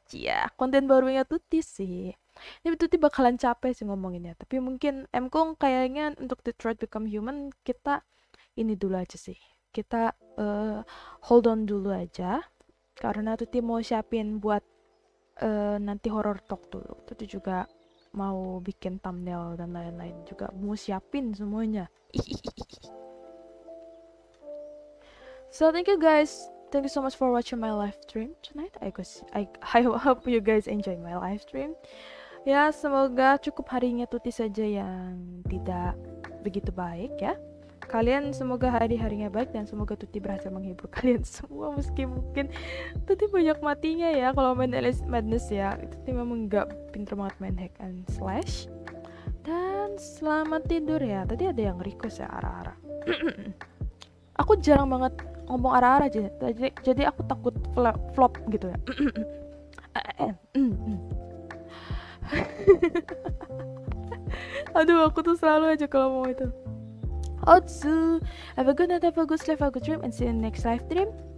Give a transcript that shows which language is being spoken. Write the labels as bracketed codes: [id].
[id] Iya, konten barunya Tuti sih. Ini Tuti bakalan capek sih ngomonginnya, tapi mungkin Mkong kayaknya untuk Detroit Become Human kita ini dulu aja sih. Kita [en] hold on [id] dulu aja karena Tuti mau siapin buat nanti horror talk dulu. Tuti juga mau bikin thumbnail dan lain-lain juga, mau siapin semuanya. [en] So thank you guys, thank you so much for watching my live stream tonight. I hope you guys enjoy my live stream. [id] Ya semoga cukup harinya Tuti saja yang tidak begitu baik ya. Kalian semoga hari-harinya baik dan semoga Tuti berhasil menghibur kalian semua, meski mungkin Tuti banyak matinya ya kalau main Alice Madness ya. Tuti memang gak pinter banget main hack and slash. Dan selamat tidur ya. Tadi ada yang request ya ara-ara. Aku jarang banget ngomong ara-ara aja, jadi aku takut flop gitu ya. . Aduh, aku tuh selalu aja kalau mau itu. [en] Otsu, have a good night, have a good sleep, have a good dream, and see you in the next live dream.